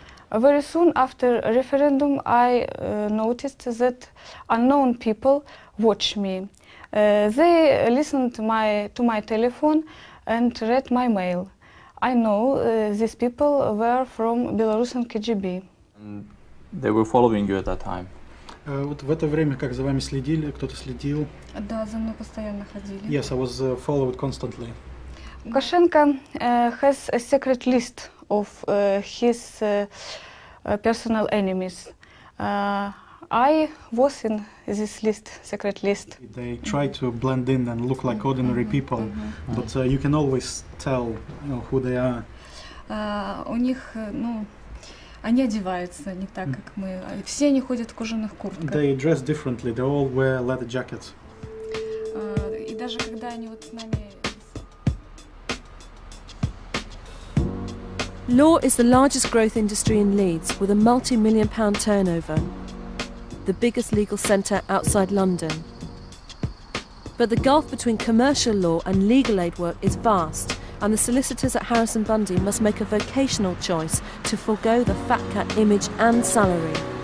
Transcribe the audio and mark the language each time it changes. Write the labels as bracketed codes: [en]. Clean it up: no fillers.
[en] Very soon after referendum, I noticed that unknown people watch me. They listened to my telephone and read my mail. I know these people were from Belarusian KGB. And they were following you at that time. [ru] Вот в это время как за вами следили, кто-то следил? Да, за мной постоянно ходили. [en] Yes, I was followed constantly. Лукашенко has a secret list of his personal enemies. I was in this list, secret list. They try to blend in and look like ordinary people, mm-hmm. but you can always tell, you know, who they are. [ru] У них, ну, они одеваются не так, как мы. Все они ходят в кожаных куртках. [en] They dress differently. They all wear leather jackets. [ru] И даже когда они вот с нами. [en] Law is the largest growth industry in Leeds, with a multi-million pound turnover. The biggest legal centre outside London. But the gulf between commercial law and legal aid work is vast, and the solicitors at Harris & Bundy must make a vocational choice to forego the fat cat image and salary.